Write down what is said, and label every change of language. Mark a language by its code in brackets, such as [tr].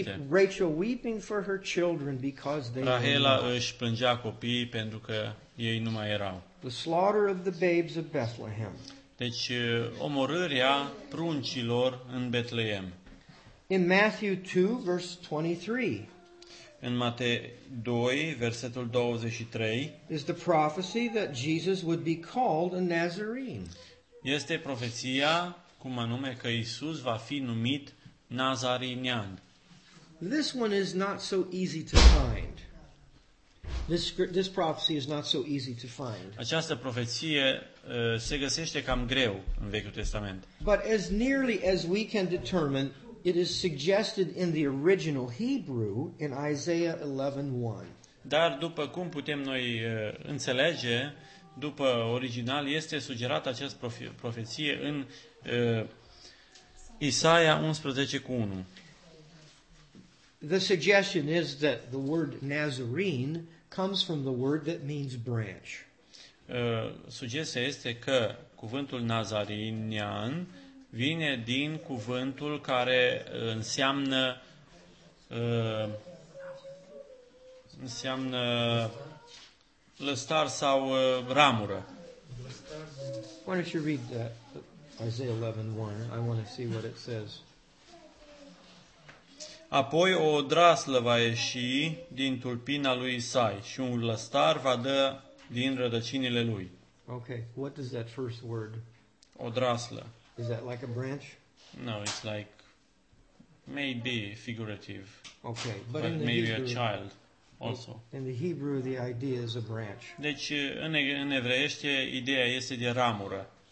[en] Rachel weeping for her children because they were. [ro] Rahela își plângea copiii pentru că ei nu mai erau. [en] The slaughter of the babes of Bethlehem. [ro] Deci omorârea pruncilor în Betleem. [en] In Matthew 2 verse 23. [ro] În Matei 2 versetul 23. [en] Is the prophecy that Jesus would be called a Nazarene. [ro] Este profeția cum anume că Iisus va fi numit Nazarenean. [en] This one is not so easy to find. This prophecy is not so easy to find. [ro] Această profeție se găsește cam greu în Vechiul Testament. [en] But as nearly as we can determine, it is suggested in the original Hebrew in Isaiah 11:1. [ro] Dar după cum putem noi înțelege, după original este sugerată această profeție în Isaia 11:1. [en] The suggestion is that the word Nazarene comes from the word that means branch. [ro] Sugestia este că cuvântul Nazarenean vine din cuvântul care înseamnă înseamnă lăstar sau ramură. [en] Why don't you read that? Isaiah 11:1. I want to see what it says. [ro] Apoi o draslă va ieși din tulpina lui Isai și un lăstar va dă din rădăcinile lui. [en] Okay, what is that first word? [ro] O draslă. [en] Is that like a branch? No, it's like maybe figurative. Okay, but in the maybe Hebrew, a child also. In the Hebrew the idea is a branch. [ro] Deci în evreiește ideea este de ramură.